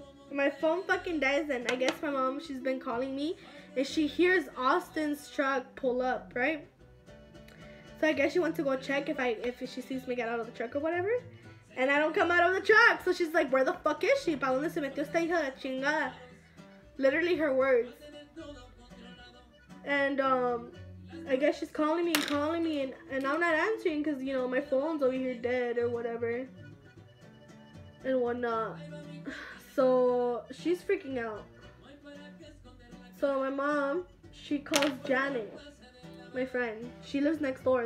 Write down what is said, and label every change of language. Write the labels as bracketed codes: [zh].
[en] My phone fucking dies, and I guess my mom, she's been calling me, and she hears Austin's truck pull up, right? So I guess she wants to go check if she sees me get out of the truck or whatever. And I don't come out of the truck. So she's like, where the fuck is she? [es] ¿Para dónde se metió esta hija de chingada? [en] Literally her words. And I guess she's calling me, and I'm not answering because, you know, my phone's over here dead or whatever. And whatnot. So she's freaking out. So my mom, she calls Janet, my friend. She lives next door.